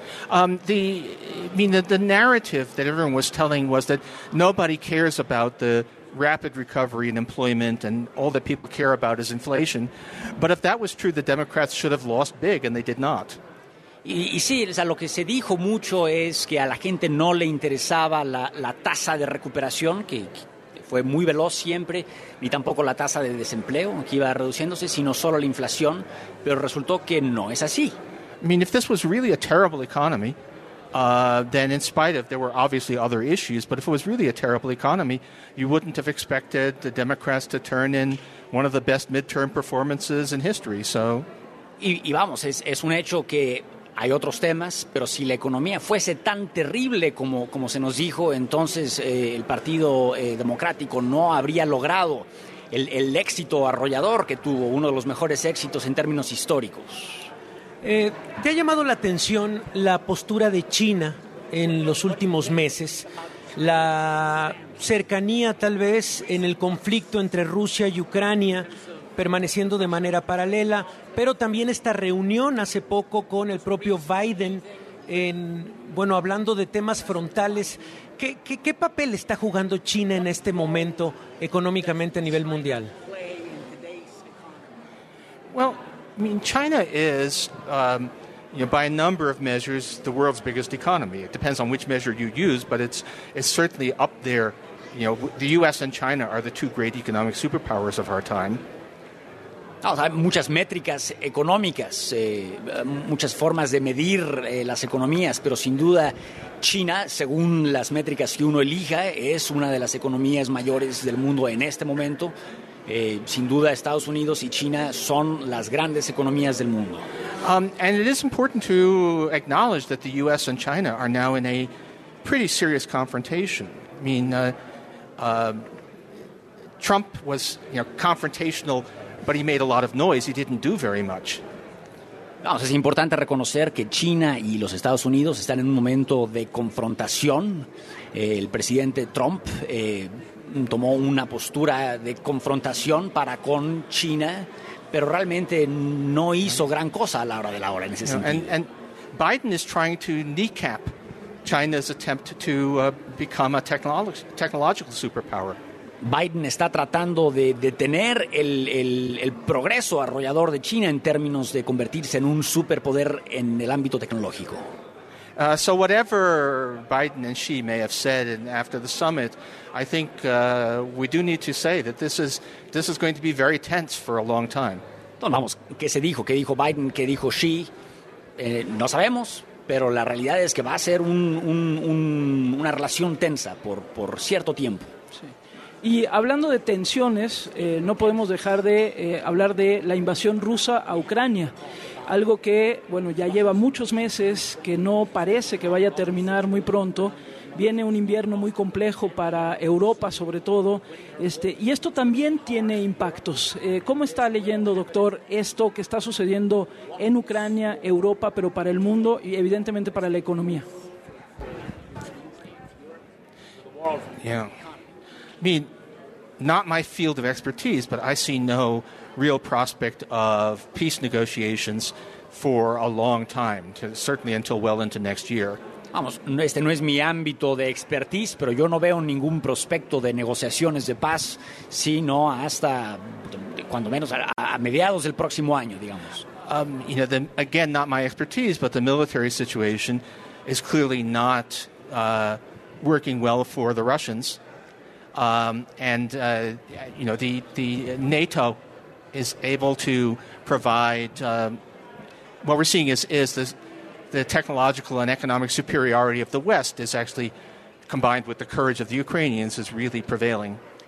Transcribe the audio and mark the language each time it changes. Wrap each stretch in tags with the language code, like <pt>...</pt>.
<en>The narrative that everyone was telling was that nobody cares about the rapid recovery in employment, and all that people care about is inflation. But if that was true, the Democrats should have lost big, and they did not.</en> <es>Y sí, o sea, lo que se dijo mucho es que a la gente no le interesaba la tasa de recuperación, que fue muy veloz siempre, ni tampoco la tasa de desempleo, que iba reduciéndose, sino solo la inflación, pero resultó que no es así.</es> <en>I mean, if this was really a terrible economy, then in spite of, there were obviously other issues, but if it was really a terrible economy, you wouldn't have expected the Democrats to turn in one of the best midterm performances in history, so...</en> <es>Y vamos, es un hecho que hay otros temas, pero si la economía fuese tan terrible como se nos dijo, entonces el Partido Democrático no habría logrado el éxito arrollador que tuvo, uno de los mejores éxitos en términos históricos. ¿Te ha llamado la atención la postura de China en los últimos meses? La cercanía, tal vez, en el conflicto entre Rusia y Ucrania, permaneciendo de manera paralela, pero también esta reunión hace poco con el propio Biden, hablando de temas frontales. ¿Qué papel está jugando China en este momento económicamente a nivel mundial?</es> <en>Well, I mean, China is, by a number of measures, the world's biggest economy. It depends on which measure you use, but it's certainly up there. You know, the U.S. and China are the two great economic superpowers of our time.</en> <es>No, o sea, muchas métricas económicas, muchas formas de medir las economías, pero sin duda China, según las métricas que uno elija, es una de las economías mayores del mundo en este momento. Sin duda Estados Unidos y China son las grandes economías del mundo.</es> <en>And it is important to acknowledge that the U.S. and China are now in a pretty serious confrontation. I mean, Trump was, you know, confrontational, but he made a lot of noise. He didn't do very much.</en> <es>No, es importante reconocer que China y los Estados Unidos están en un momento de confrontación. El presidente Trump tomó una postura de confrontación para con China, pero realmente no hizo gran cosa a la hora de la hora en ese sentido.</es> <en>And Biden is trying to kneecap China's attempt to become a technological superpower.</en> <es>Biden está tratando de detener el progreso arrollador de China en términos de convertirse en un superpoder en el ámbito tecnológico.</es> <en>So whatever Biden and Xi may have said after the summit, I think we do need to say that this is going to be very tense for a long time.</en> <es>Entonces, vamos, ¿qué se dijo? ¿Qué dijo Biden? ¿Qué dijo Xi? No sabemos, pero la realidad es que va a ser una relación tensa por cierto tiempo. Y hablando de tensiones, no podemos dejar de hablar de la invasión rusa a Ucrania, algo que, bueno, ya lleva muchos meses, que no parece que vaya a terminar muy pronto. Viene un invierno muy complejo para Europa, sobre todo, y esto también tiene impactos. ¿Cómo está leyendo, doctor, esto que está sucediendo en Ucrania, Europa, pero para el mundo y evidentemente para la economía?</es> <en>Yeah. I mean, not my field of expertise, but I see no real prospect of peace negotiations for a long time, certainly until well into next year.</en> <es>Vamos, este no es mi ámbito de expertise, pero yo no veo ningún prospecto de negociaciones de paz, sino hasta, cuando menos, a mediados del próximo año, digamos.</es> <en>You know, again, not my expertise, but the military situation is clearly not working well for the Russians. You know, the NATO is able to provide what we're seeing is the technological and economic superiority of the West is actually combined with the courage of the Ukrainians is really prevailing.</en>